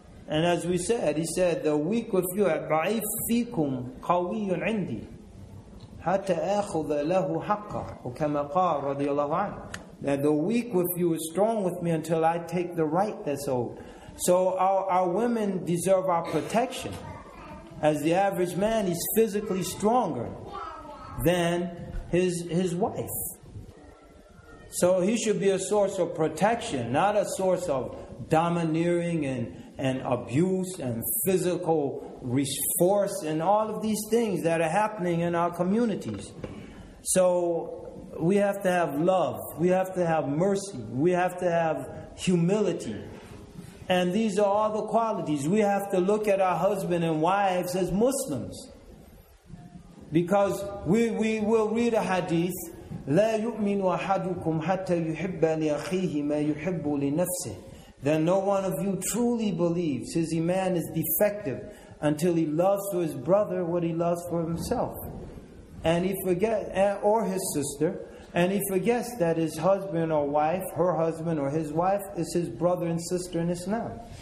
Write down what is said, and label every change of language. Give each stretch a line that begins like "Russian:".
English: And as we said, he said, the weak with you,
Arabic: ضعيف فيكم قوي عندي حتى أخذ له حقه وكما قال رضي الله عنه.
English: That the weak with you is strong with me until I take the right that's owed. So our women deserve our protection. As the average man, he's physically stronger than his wife. So he should be a source of protection, not a source of domineering and abuse and physical force and all of these things that are happening in our communities. So we have to have love, we have to have mercy, we have to have humility. And these are all the qualities. We have to look at our husband and wives as Muslims. Because we will read a hadith,
Arabic: لَا يُؤْمِنُ أَحَدُكُمْ حَتَّى يُحِبَّ لِأَخِيهِ مَا يُحِبُّ لِنَفْسِهِ.
English: Then no one of you truly believes his iman is defective until he loves for his brother what he loves for himself. And he forgets, or his sister, and he forgets that his husband or wife, her husband or his wife, is his brother and sister in Islam.